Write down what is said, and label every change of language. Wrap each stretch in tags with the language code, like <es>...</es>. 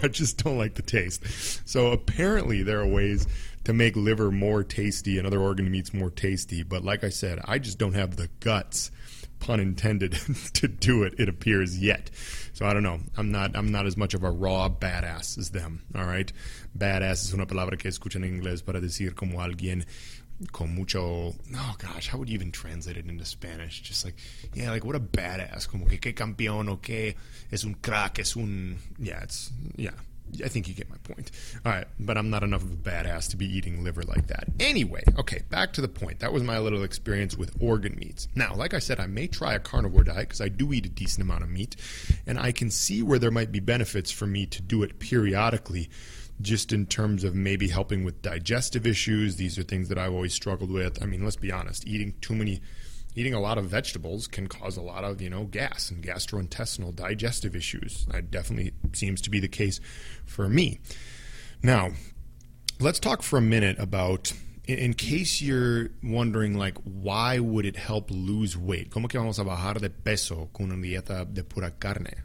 <en>I just don't like the taste. So apparently there are ways to make liver more tasty and other organ meats more tasty. But like I said, I just don't have the guts, pun intended, to do it, it appears, yet. So I don't know. I'm not as much of a raw badass as them. All right.</en> <es>Badass is una palabra que escuchan en inglés para decir como alguien. Con mucho,</es> <en>oh gosh, how would you even translate it into Spanish? Just like, yeah, like what a badass.</en> <es>Como que campeón, que es un</es> <en>crack, es un, yeah, it's, yeah, I think you get my point. All right, but I'm not enough of a badass to be eating liver like that. Anyway, okay, back to the point. That was my little experience with organ meats. Now, like I said, I may try a carnivore diet because I do eat a decent amount of meat, and I can see where there might be benefits for me to do it periodically. Just in terms of maybe helping with digestive issues, these are things that I've always struggled with. I mean, let's be honest, eating a lot of vegetables can cause a lot of, you know, gas and gastrointestinal digestive issues. That definitely seems to be the case for me. Now, let's talk for a minute about, in case you're wondering, like, why would it help lose weight?</en> <es>¿Cómo que vamos a bajar de peso con una dieta de pura carne?</es>